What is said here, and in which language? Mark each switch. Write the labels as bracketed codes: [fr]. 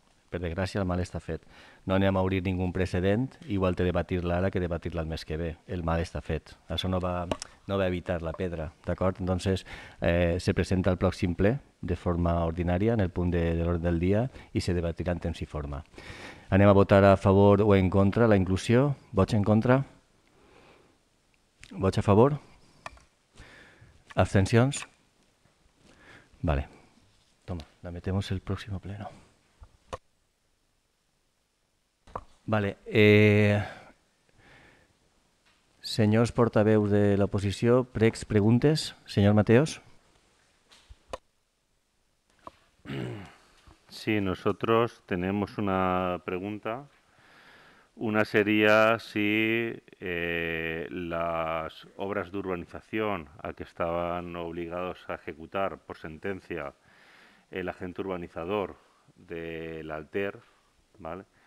[ca] Per desgràcia el mal està fet. No anem a obrir ningú precedent, igual té debatir-la ara que debatir-la el mes que ve. El mal està fet. Això no va evitar la pedra, d'acord? Doncs se presenta el pròxim ple de forma ordinària en el punt de l'ordre del dia i se debatirà en temps i forma. Anem a votar a favor o en contra la inclusió. Vots en contra? Vots a favor? Abstencions? Vale. [es] Toma, la metemos el próximo pleno. Vale. [ca] Senyors portaveus de l'oposició, precs, preguntes? Senyor Mateos? [es] Sí, nosotros tenemos una pregunta. Una sería si las obras de urbanización a que estaban obligados a ejecutar por sentencia el agente urbanizador del Alter, ¿vale?